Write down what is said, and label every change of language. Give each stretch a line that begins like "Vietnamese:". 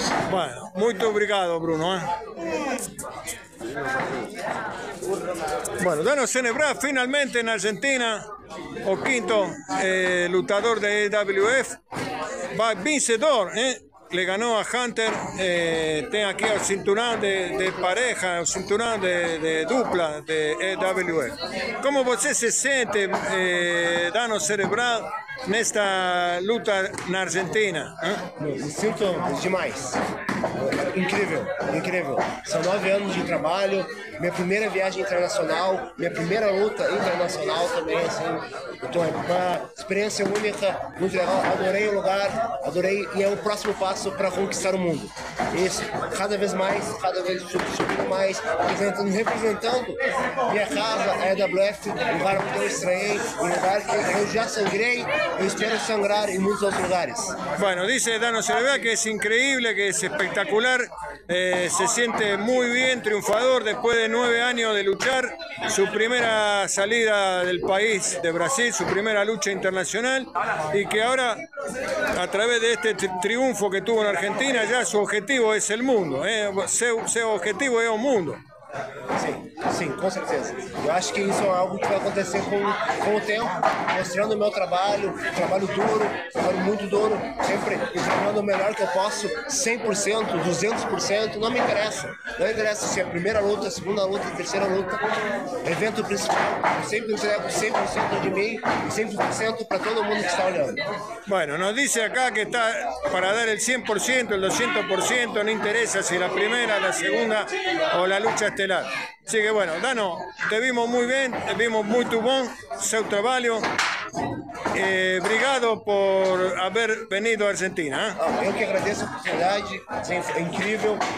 Spanish: Bueno, muy obrigado, Bruno, Bueno, Dano Senebra, finalmente en Argentina, o quinto luchador de EWF, va vencedor, le ganó a Hunter, tiene aquí el cinturón de pareja, el cinturón de dupla de EWF. ¿Cómo usted se siente, Dano Senebra, en esta lucha en Argentina?
Portuguese: Me siento demais. Incrível, incrível. São 9 anos de trabalho, minha primeira viagem internacional, minha primeira luta internacional também, assim. Então é uma experiência única, muito legal. Adorei o lugar, adorei, e é o próximo passo para conquistar o mundo. Isso, cada vez mais, cada vez subindo mais, representando minha casa, a EWF, um lugar que eu estranhei, um lugar que eu já sangrei e espero sangrar em muitos outros lugares.
Spanish: Bueno, dice Dano Cerebea que é incrível, que é espectacular. Se siente muy bien, triunfador, después de 9 años de luchar, su primera salida del país, de Brasil, su primera lucha internacional, y que ahora, a través de este triunfo que tuvo en Argentina, ya su objetivo es el mundo, su objetivo es el mundo.
Portuguese: Sim, sim, com certeza. Eu acho que isso é algo que vai acontecer com o tempo, mostrando o meu trabalho, trabalho duro, trabalho muito duro, sempre treinando o melhor que eu posso, 100%, 200%, não me interessa. Não interessa se é a primeira luta, a segunda luta, a terceira luta, evento principal, eu sempre entrego 100% de mim e 100% para todo mundo que está olhando.
Spanish: Bueno, nos dice acá que está para dar el 100%, el 200%,
Portuguese: não interessa se é a primeira, a segunda ou a luta estelar.
Spanish: Así que bueno, Dano, te vimos muy bien, te vimos muy buen seu trabajo. Obrigado por haber venido a Argentina.
Portuguese: Ah, eu que agradeço a oportunidade, é incrível.